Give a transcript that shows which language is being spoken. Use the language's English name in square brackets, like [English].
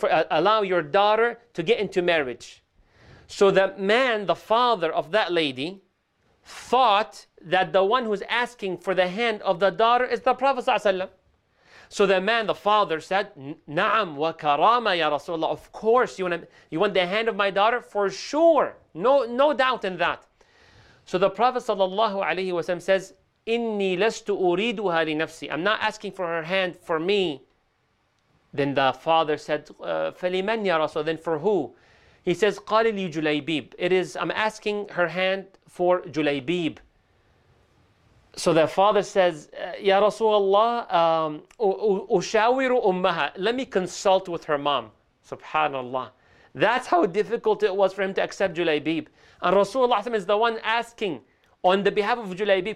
[English] Allow your daughter to get into marriage. So that man, the father of that lady, thought that the one who's asking for the hand of the daughter is the Prophet صلى الله عليه وسلم. So the man, the father, said, [Arabic] نعم وكرامة يا رسول الله. [English] Of course, you want the hand of my daughter? For sure. No doubt in that. So the Prophet صلى الله عليه وسلم says, [Arabic] إني لست أريدها لنفسي. [English] I'm not asking for her hand for me. Then the father said, [Arabic] فلمن يا رسول. [English] Then for who? He says, [Arabic] قال لي جليبيب. [English] It is, I'm asking her hand for جليبيب. So the father says, [Arabic] يا رسول الله, أشاور أمها. [English] Let me consult with her mom. Subhanallah. That's how difficult it was for him to accept جليبيب. And Rasulullah is the one asking on the behalf of جليبيب.